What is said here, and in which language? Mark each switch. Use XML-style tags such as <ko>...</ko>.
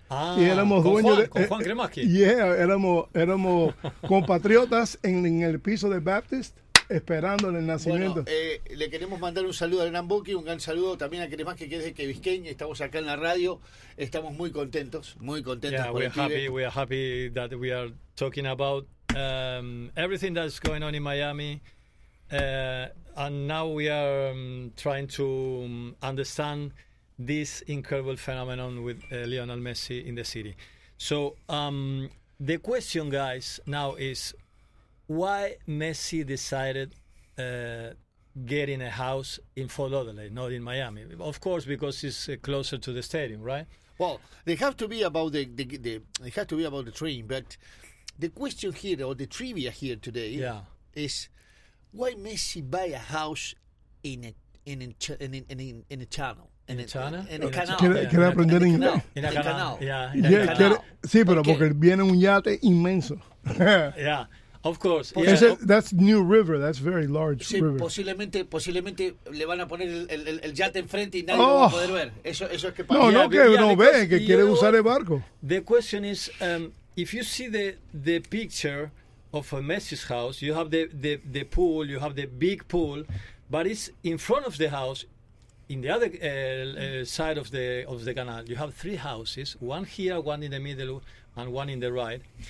<es>Ah, y éramos dueños con Juan Cremachi. Éramos compatriotas en el piso de Baptist, esperando el nacimiento. Bueno, le queremos mandar un saludo a Gran Boki, un gran saludo también a Cremachi, que es de Biscayne. Estamos acá en la radio, estamos muy contentos.</es> <en>Yeah, we are happy that we are talking about everything that's going on in Miami, and now we are trying to understand this incredible phenomenon with Lionel Messi in the city. So the question, guys, now is, why Messi decided getting a house in Fort Lauderdale, not in Miami? Of course, because it's closer to the stadium, right? Well, they have to be about the train. But the question here, or the trivia here today, is why Messi buy a house in a channel?</en> <es>Quiere aprender inglés. En el canal. Yeah, quiere, sí, pero okay. Porque viene un yate inmenso.</es> <en>Yeah, of course. Yeah. That's New River. That's very large</en> <es>sí,</es> <en>river.</en> <es>Posiblemente le van a poner el yate enfrente y nadie va a poder ver. Eso es que no, no, que no ve, que quiere usar el barco.</es> <en>The question is, if you see the picture of a Messi's house, you have the pool, you have the big pool, but it's in front of the house. In the other side of the canal, you have three houses, one here, one in the middle, and one in the right.</en>